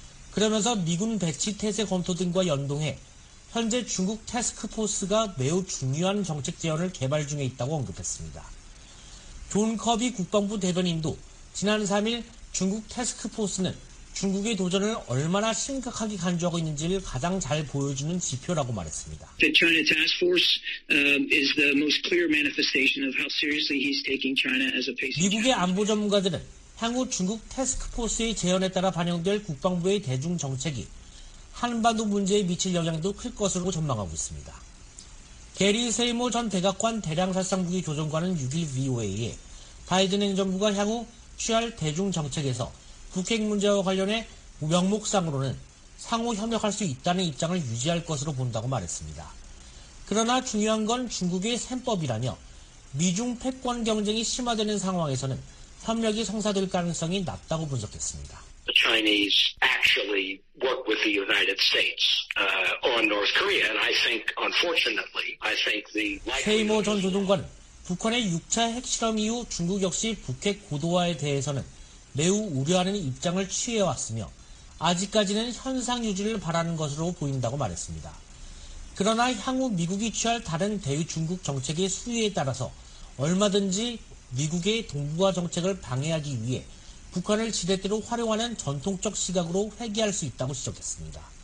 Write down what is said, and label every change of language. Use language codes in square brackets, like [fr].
[ko] 그러면서 미군 배치 태세 검토 등과 연동해 현재 중국 태스크포스가 매우 중요한 정책 제언을 개발 중에 있다고 언급했습니다. 존 커비 국방부 대변인도 지난 3일 중국 태스크포스는 중국의 도전을 얼마나 심각하게 간주하고 있는지를 가장 잘 보여주는 지표라고 말했습니다. [en] The China Task Force is the most clear manifestation of how seriously he's taking China as a pacing. [ko] 미국의 안보 전문가들은 향후 중국 태스크포스의 재연에 따라 반영될 국방부의 대중 정책이 한반도 문제에 미칠 영향도 클 것으로 전망하고 있습니다. 게리 세이모 전 백악관 대량살상무기 조정관은 6일 VOA에 바이든 행정부가 향후 취할 대중 정책에서 북핵 문제와 관련해 명목상으로는 상호 협력할 수 있다는 입장을 유지할 것으로 본다고 말했습니다. 그러나 중요한 건 중국의 셈법이라며 미중 패권 경쟁이 심화되는 상황에서는 협력이 성사될 가능성이 낮다고 분석했습니다. [en] Chinese actually work with the United States on North Korea. And I think, unfortunately, I think the... [ko] 최이모 전 조정관, 북한의 6차 핵실험 이후 중국 역시 북핵 고도화에 대해서는 매우 우려하는 입장을 취해왔으며 아직까지는 현상 유지를 바라는 것으로 보인다고 말했습니다. 그러나 향후 미국이 취할 다른 대외 중국 정책의 수위에 따라서 얼마든지 미국의 동북아 정책을 방해하기 위해 북한을 지렛대로 활용하는 전통적 시각으로 회귀할 수 있다고 지적했습니다.